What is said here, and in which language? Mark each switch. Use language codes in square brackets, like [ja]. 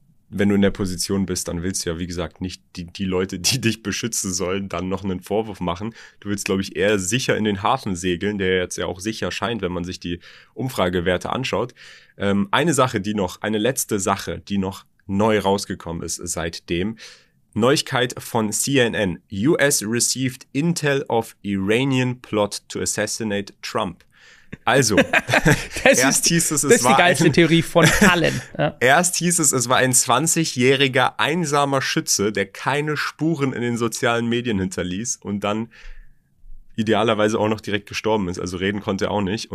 [de] wenn du in der Position bist, dann willst du ja, wie gesagt, nicht die Leute, die dich beschützen sollen, dann noch einen Vorwurf machen. Du willst, glaube ich, eher sicher in den Hafen segeln, der jetzt ja auch sicher scheint, wenn man sich die Umfragewerte anschaut. Eine letzte Sache, die noch neu rausgekommen ist seitdem. Neuigkeit von CNN. [en] US received intel of Iranian plot to assassinate Trump. [de] Also, erst hieß es, es war ein 20-jähriger einsamer Schütze, der keine Spuren in den sozialen Medien hinterließ und dann idealerweise auch noch direkt gestorben ist. Also reden konnte er auch nicht.